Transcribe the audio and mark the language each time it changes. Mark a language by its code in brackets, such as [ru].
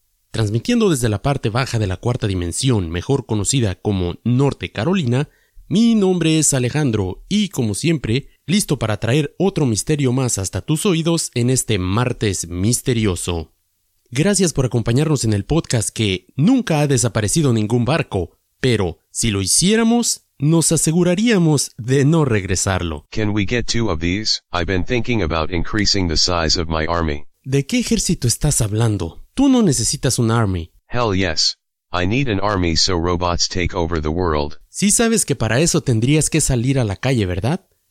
[es] Transmitiendo desde la parte baja de la cuarta dimensión, mejor conocida como Norte Carolina, mi nombre es Alejandro y, como siempre, listo para traer otro misterio más hasta tus oídos en este martes misterioso. Gracias por acompañarnos en el podcast que nunca ha desaparecido ningún barco, pero si lo hiciéramos, nos aseguraríamos de no regresarlo. [en] Can we get two of these? I've been thinking about increasing the size of my army. [es] ¿De qué ejército estás hablando? Tú no necesitas un army. [en] Hell yes. I need an army so robots take over the world. [es] Sí sabes que para eso tendrías que salir a la calle, ¿verdad?